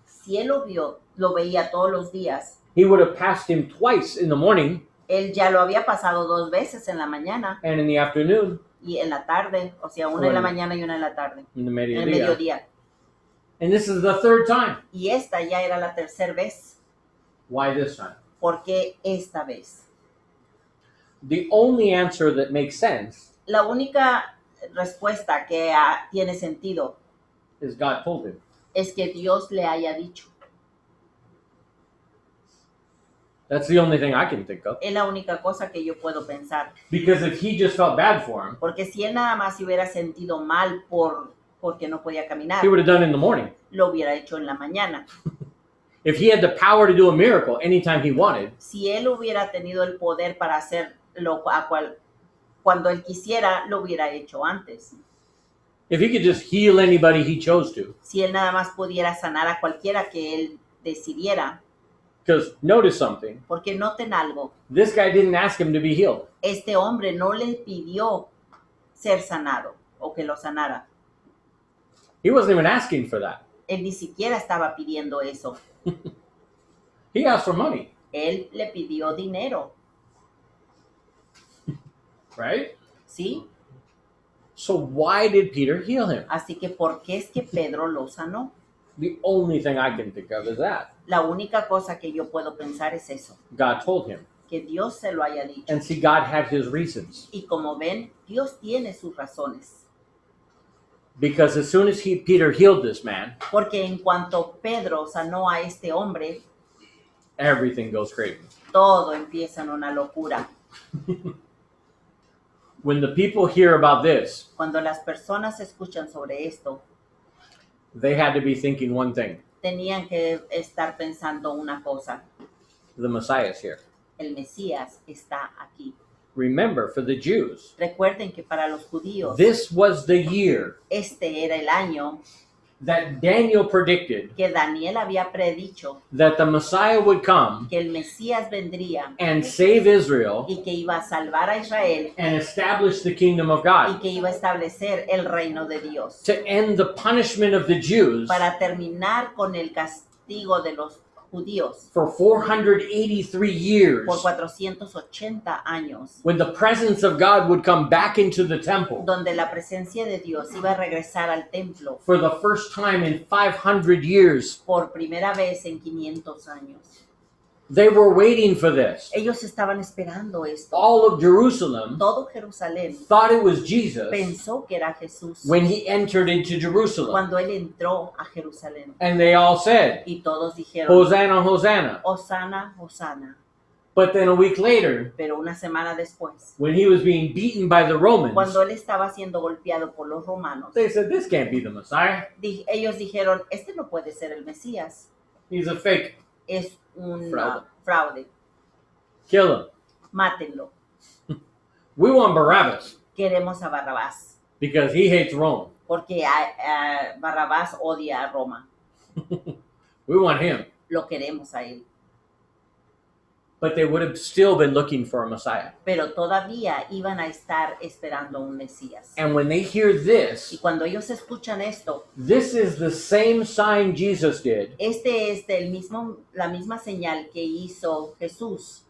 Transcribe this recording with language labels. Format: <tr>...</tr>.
<es>Si él lo vio, lo veía todos los días.</es> <en>He would have passed him twice in the morning.</en> <es>Él ya lo había pasado 2 veces en la mañana.</es> <en>And in the afternoon.</en> <es>Y en la tarde. O sea, una en la mañana y una en la tarde.</es> <en>In the mediodía.</en> <es>En el mediodía.</es> <en>And this is the third time.</en> <es>Y esta ya era la tercera vez.</es> <en>Why this time?</en> <es>¿Por qué esta vez?</es> <en>The only answer that makes sense.</en> <es>La única respuesta que tiene sentido.</es> <en>Is God told him.</en> <es>Es que Dios le haya dicho.</es> <en>That's the only thing I can think of.</en> <es>Es la única cosa que yo puedo pensar.</es> <en>Because if he just felt bad for him.</en> <es>Porque si él nada más hubiera sentido mal porque no podía caminar.</es> <en>He would have done it in the morning.</en> <es>Lo hubiera hecho en la mañana.</es> <en>If he had the power to do a miracle anytime he wanted.</en> <es>Si él hubiera tenido el poder para hacerlo cuando él quisiera, lo hubiera hecho antes.</es> <en>If he could just heal anybody he chose to.</en> <es>Si él nada más pudiera sanar a cualquiera que él decidiera.</es> <en>Because notice something.</en> <es>Porque noten algo.</es> <en>This guy didn't ask him to be healed.</en> <es>Este hombre no le pidió ser sanado o que lo sanara.</es> <en>He wasn't even asking for that.</en> <es>Él ni siquiera estaba pidiendo eso.</es> <en>He asked for money.</en> <es>Él le pidió dinero.</es> <en>Right?</en> <es>Sí.</es> <en>So why did Peter heal him?</en> <es>Así que, ¿por qué es que Pedro lo sanó?</es> <en>The only thing I can think of is that.</en> <es>La única cosa que yo puedo pensar es eso.</es> <en>God told him.</en> <es>Que Dios se lo haya dicho.</es> <en>And see, God had his reasons.</en> <es>Y como ven, Dios tiene sus razones.</es> <en>Because as soon as Peter healed this man,</en> <es>porque en cuanto Pedro sanó a este hombre,</es> <en>everything goes crazy.</en> <es>Todo empieza en una locura.</es> <en>When the people hear about this,</en> <es>cuando las personas escuchan sobre esto,</es> <en>they had to be thinking one thing.</en> <es>Tenían que estar pensando una cosa.</es> <en>The Messiah is here.</en> <es>El Mesías está aquí.</es> <en>Remember, for the Jews,</en> <es>recuerden que para los judíos,</es> <en>this was the year,</en> <es>este era el año,</es> <en>that Daniel predicted,</en> <es>que Daniel había predicho,</es> <en>that the Messiah would come,</en> <es>que el Mesías vendría,</es> <en>and save Israel,</en> <es>y que iba a salvar a Israel,</es> <en>and establish the kingdom of God,</en> <es>y que iba a establecer el reino de Dios,</es> <en>to end the punishment of the Jews,</en> <es>para terminar con el castigo de los judíos.</es> <en>For 483 years,</en> <es>por 480 años,</es> <en>when the presence of God would come back into the temple,</en> <es>donde la presencia de Dios iba a regresar al templo,</es> <en>for the first time in 500 years,</en> <es>por primera vez en 500 años,</es> <en>they were waiting for this.</en> <es>Ellos estaban esperando esto.</es> <en>All of Jerusalem,</en> <es>todo Jerusalén,</es> <en>thought it was Jesus,</en> <es>pensó que era Jesús,</es> <en>when he entered into Jerusalem,</en> <es>cuando él entró a Jerusalén.</es> <en>And they all said,</en> <es>y todos dijeron,</es> <en>Hosanna, Hosanna.</en> <es>Hosanna, Hosanna.</es> <en>But then a week later,</en> <es>pero una semana después,</es> <en>when he was being beaten by the Romans,</en> <es>cuando él estaba siendo golpeado por los romanos,</es> <en>they said, this can't be the Messiah.</en> <es>Ellos dijeron, este no puede ser el Mesías.</es> <en>He's a fake.</en> <es>Es un fraude.</es> <en>Kill him.</en> <es>Mátenlo.</es> <en>We want Barabbas.</en> <es>Queremos a Barrabás.</es> <en>Because he hates Rome.</en> <es>Porque Barrabás odia a Roma.</es> <en>We want him.</en> <es>Lo queremos a él.</es> <en>But they would have still been looking for a Messiah.</en> <es>Pero todavía iban a estar esperando un Mesías.</es> <en>And when they hear this,</en> <es>y cuando ellos escuchan esto,</es> <en>this is the same sign Jesus did.</en> <es>Este es la misma señal que hizo Jesús.</es>